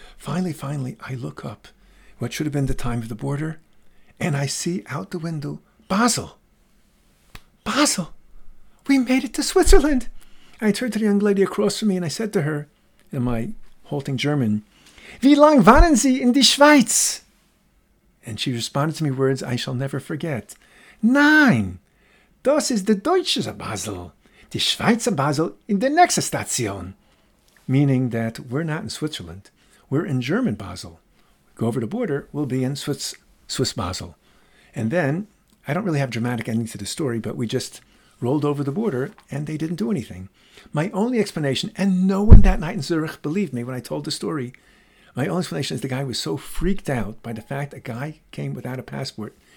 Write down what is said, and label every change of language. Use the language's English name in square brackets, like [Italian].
[English] Finally, I look up what should have been the time of the border, and I see out the window, Basil. Basil, we made it to Switzerland. I turned to the young lady across from me and I said to her, in my halting German, [German] Wie lang waren Sie in die Schweiz? [English] And she responded to me words I shall never forget. [German] Nein, das ist der deutsche Basel. Die Schweizer Basel in der nächsten Station. [English] Meaning that we're not in Switzerland. We're in German Basel. Go over the border, we'll be in Swiss Basel. And then, I don't really have dramatic ending to the story, but we just rolled over the border and they didn't do anything. My only explanation, and no one that night in Zurich believed me when I told the story, my only explanation is the guy was so freaked out by the fact a guy came without a passport.